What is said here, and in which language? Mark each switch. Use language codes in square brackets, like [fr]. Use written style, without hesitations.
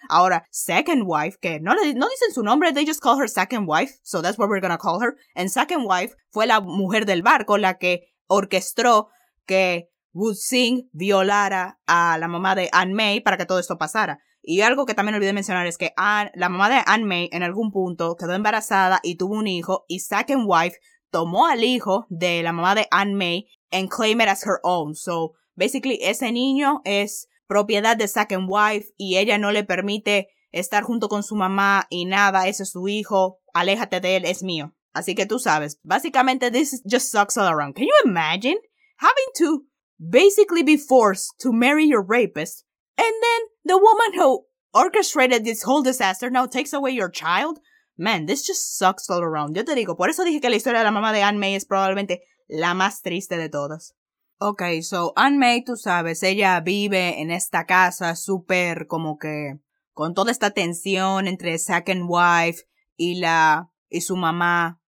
[en] Ahora, second wife, [es] que no dicen su nombre, [en] they just call her second wife, so that's what we're gonna call her. [es] And second wife fue la mujer del barco, la que orquestró que Wood Singh violara a la mamá de Anne May para que todo esto pasara. Y algo que también olvidé mencionar es que la mamá de Anne May en algún punto quedó embarazada y tuvo un hijo, y second wife tomó al hijo de la mamá de Anne May [en] and claimed it as her own. So, basically, [es] ese niño es propiedad de second wife y ella no le permite estar junto con su mamá y nada, ese es su hijo, aléjate de él, es mío. Así que tú sabes, básicamente, [en] this just sucks all around. Can you imagine having to basically be forced to marry your rapist, and then the woman who orchestrated this whole disaster now takes away your child? Man, this just sucks all around. [es] Yo te digo, por eso dije que la historia de la mamá de Anne May es probablemente la más triste de todas. [en] Okay, so [es] Anne May, tú sabes, ella vive en esta casa súper como que con toda esta tensión entre second wife y su mamá.